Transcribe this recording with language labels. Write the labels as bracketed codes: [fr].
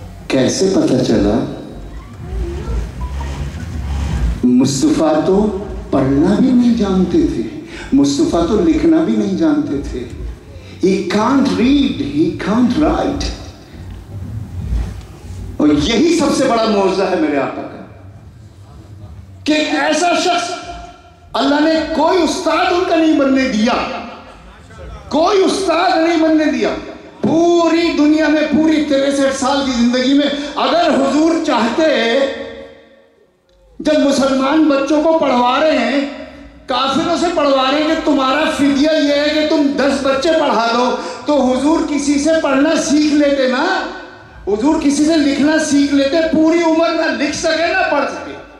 [hi] कैसे पता चला? मुस्तफा तो पढ़ना भी नहीं जानते थे, मुस्तफा तो लिखना भी नहीं जानते थे. [en] He can't read, he can't write. [hi] और यही सबसे बड़ा मौजज़ा है मेरे आका का कि ऐसा शख्स अल्लाह ने कोई उस्ताद उनका नहीं बनने दिया, कोई उस्ताद नहीं बनने दिया. पूरी दुनिया में पूरी 63 साल की जिंदगी में अगर हुजूर चाहते जब मुसलमान बच्चों को पढ़वा रहे हैं काफिरों से पढ़वा रहे हैं कि तुम्हारा फिदिया यह है कि तुम 10 बच्चे पढ़ा दो तो हुजूर किसी से पढ़ना सीख लेते ना, हुजूर किसी से लिखना सीख लेते, पूरी उम्र ना लिख सके ना पढ़ सके.